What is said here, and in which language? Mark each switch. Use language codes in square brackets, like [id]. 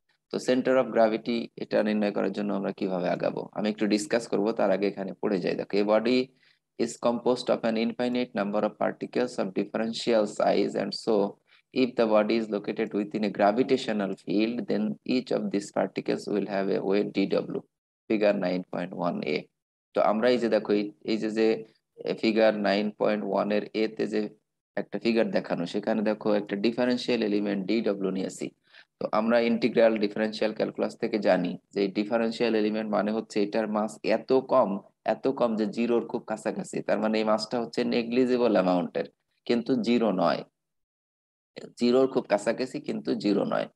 [bn] তো centre of gravity এটা নির্ণয় করার জন্য আমরা কিভাবে আগাবো আমি একটু ডিসকাস করব, তার আগে এখানে পড়ে যাই। [en] দেখো, a body is compose of an infinite number of particles of differential size, and so If the body is located within a gravitational field, then each of these particles will have a weight dw, figure 9.1a. [bn] তো আমরা এই যে দেখো, এই যে যে figure 9.1 এর a তে যে একটা ফিগার দেখানো, সেখানে দেখো একটা ডিফারেনশিয়াল এলিমেন্ট dw নিয়েছি। তো আমরা ইন্টিগ্রাল ডিফারেনশিয়াল ক্যালকুলাস থেকে জানি যে ডিফারেনশিয়াল এলিমেন্ট মানে হচ্ছে এটার মাস এত কম যে জিরোর খুব কাছাকাছি, তার মানে এই মাসটা হচ্ছে নেগলিজিবল অ্যামাউন্টের, কিন্তু জিরো নয়, জিরোর খুব কাছাকাছি কিন্তু জিরো নয়।